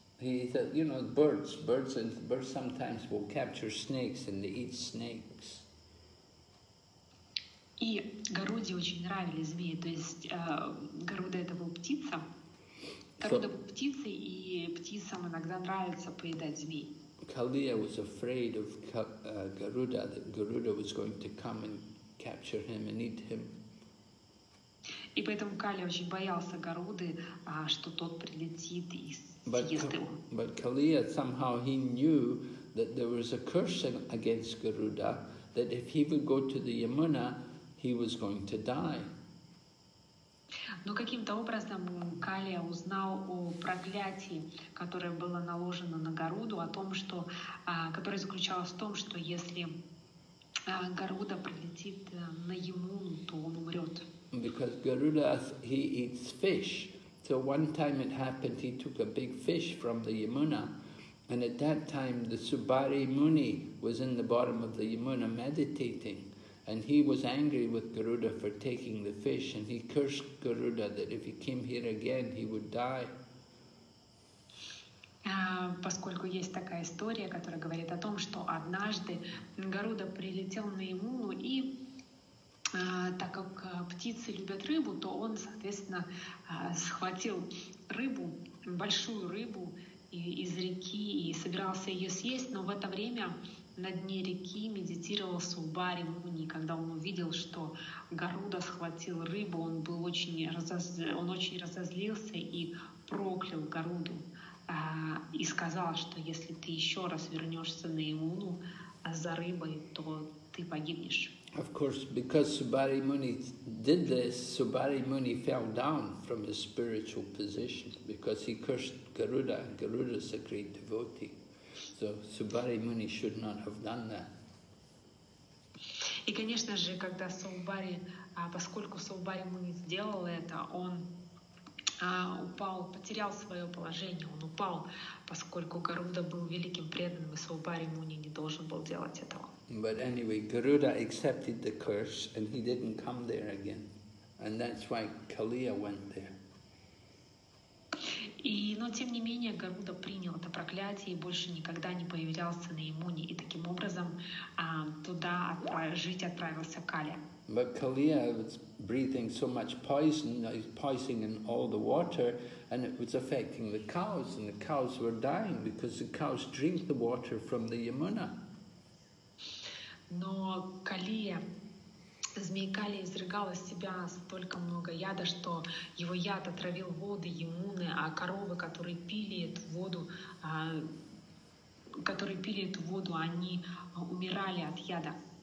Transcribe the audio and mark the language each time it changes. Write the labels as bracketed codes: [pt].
[en] He said, you know, birds sometimes will capture snakes and they eat snakes. [ru] И Гаруде очень нравились змеи, то есть Гаруда это был птица. Гаруда был птицей, и птицам иногда нравится поедать змей. [en] Kaliya was afraid of Garuda, that Garuda was going to come and capture him and eat him. [ru] И поэтому Калия очень боялся Гаруды, что тот прилетит и съест его. [en] But Kaliya somehow he knew that there was a curse against Garuda, that if he would go to the Yamuna, he was going to die. [ru] Но каким-то образом Калия узнал о проклятии, которое было наложено на Гаруду, о том, что, которое заключалось в том, что если Гаруда прилетит на Ямуну, то он умрет. [en] Because Garuda, he eats fish. So one time it happened, he took a big fish from the Yamuna. And at that time, the Subari Muni was in the bottom of the Yamuna meditating. And he was angry with Garuda for taking the fish, and he cursed Garuda that if he came here again, he would die. [ru] Поскольку есть такая история, которая говорит о том, что однажды Гаруда прилетел на Ямуну и Так как птицы любят рыбу, то он, соответственно, схватил рыбу, большую рыбу из реки и собирался ее съесть, но в это время на дне реки медитировал Субари Муни. Когда он увидел, что Гаруда схватил рыбу, он был очень разозлился и проклял Гаруду и сказал, что если ты еще раз вернешься на Емуну за рыбой, то ты погибнешь. [en] Of course, because Subari Muni did this, Subari Muni fell down from his spiritual position because he cursed Garuda, and Garuda is a great devotee. So Subari Muni should not have done that. [ru] И, конечно же, когда Субари, поскольку Субари Муни сделал это, он упал, потерял свое положение, он упал, поскольку Гаруда был великим преданным, и Субари Муни не должен был делать этого. [en] But anyway, Garuda accepted the curse and he didn't come there again. And that's why Kaliya went there. [ru] Но тем не менее, Гаруда принял это проклятие и больше никогда не появлялся на Емуне. И таким образом туда жить отправился Калия. [en] But Kaliya was breathing so much poison, poisoning all the water, and it was affecting the cows, and the cows were dying because the cows drink the water from the Yamuna. [ru] Но Калия, змей Калия, изрыгал из себя столько много яда, что его яд отравил воды Ямуны, а коровы, которые пили эту воду, они умирали от яда.